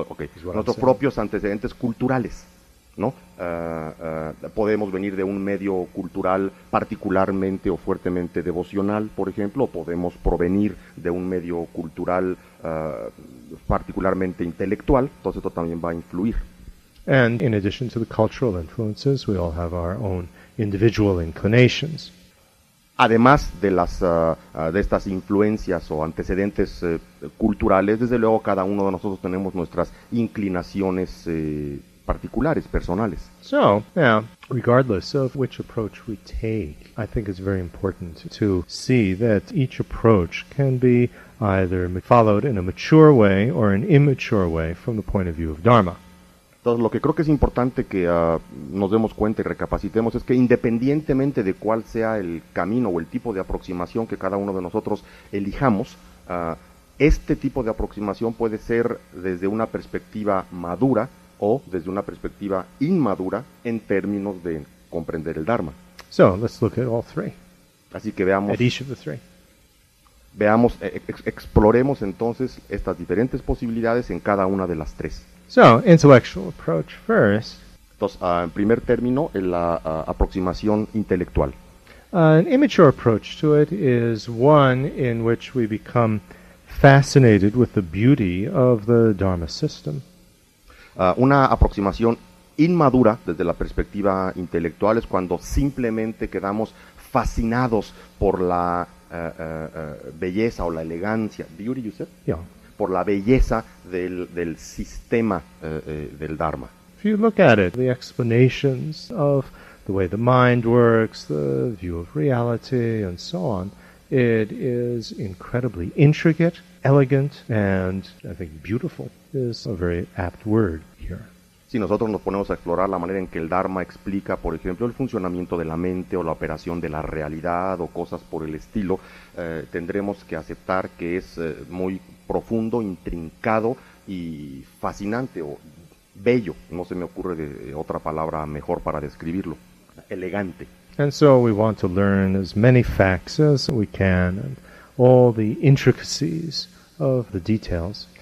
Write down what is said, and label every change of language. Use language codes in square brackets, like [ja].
[es] Okay. Nuestros propios antecedentes culturales, ¿no? Podemos venir de un medio cultural particularmente o fuertemente devocional, por ejemplo, o podemos provenir de un medio cultural particularmente intelectual. Entonces esto también va a influir. [en] And in addition to the cultural influences, we all have our own individual inclinations. [es] Además de estas influencias o antecedentes culturales, desde luego cada uno de nosotros tenemos nuestras inclinaciones particulares, personales. [en] So, now, regardless of which approach we take, I think it's very important to see that each approach can be either followed in a mature way or an immature way from the point of view of Dharma. [es] Entonces, lo que creo que es importante que nos demos cuenta y recapacitemos es que independientemente de cuál sea el camino o el tipo de aproximación que cada uno de nosotros elijamos, este tipo de aproximación puede ser desde una perspectiva madura o desde una perspectiva inmadura en términos de comprender el Dharma. [en] So, let's look at all three. [es] Así que veamos. [en] At each of the three. [es] Veamos, exploremos entonces estas diferentes posibilidades en cada una de las tres. [en] So, intellectual approach first. [es] Entonces, en primer término, en la aproximación intelectual. [en] An immature approach to it is one in which we become fascinated with the beauty of the Dharma system. [es] Una aproximación inmadura desde la perspectiva intelectual es cuando simplemente quedamos fascinados por la belleza o la elegancia. [en] Beauty, you said? Yeah. [es] Por la belleza del sistema del Dharma. [en] If you look at it, the explanations of the way the mind works, the view of reality, and so on, it is incredibly intricate, elegant, and I think beautiful is a very apt word here. [es] Si nosotros nos ponemos a explorar la manera en que el Dharma explica, por ejemplo, el funcionamiento de la mente o la operación de la realidad o cosas por el estilo, tendremos que aceptar que es muy profundo, intrincado y fascinante o bello, no se me ocurre de otra palabra mejor para describirlo, elegante. [en] And so we want to learn as many facts as we can, and all the intricacies of the details.